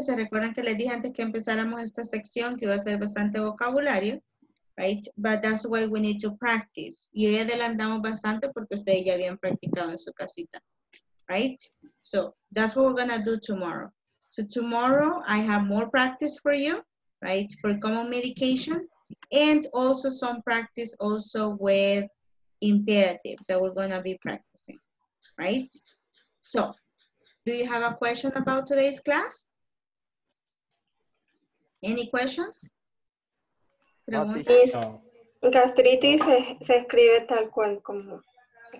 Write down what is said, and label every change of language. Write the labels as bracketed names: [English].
[Spanish] Se recuerdan que les dije antes que empezáramos esta sección que iba a ser bastante vocabulario, right? [English] But that's why we need to practice. [Spanish] Y hoy adelantamos bastante porque ustedes ya habían practicado en su casita, right? [English] So that's what we're gonna do tomorrow. So tomorrow I have more practice for you, right? For common medication and also some practice also with imperatives that we're going to be practicing, right? So, do you have a question about today's class? Any questions? [Spanish] Is gastritis se escribe tal cual como se